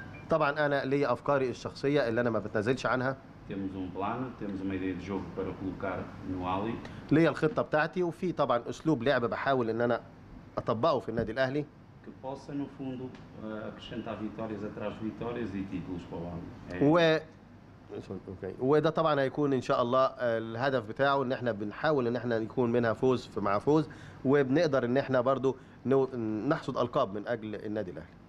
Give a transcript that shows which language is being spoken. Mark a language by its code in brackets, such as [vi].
[ar] طبعا أنا ليا أفكاري الشخصية اللي أنا ما بتنازلش عنها. [pt] Temos plano, temos uma ideia de jogo para colocar no Ali. [ar] ليا الخطة بتاعتي وفي طبعا أسلوب لعب بحاول إن أنا أطبقه في النادي الأهلي. [pt] Que possa, no fundo, acrescentar vitórias atrás de vitórias e títulos para o Ali. [ar] وده طبعا هيكون ان شاء الله الهدف بتاعه ان احنا بنحاول ان احنا يكون منها فوز مع فوز وبنقدر ان احنا برضو نحصد القاب من اجل النادي الاهلي.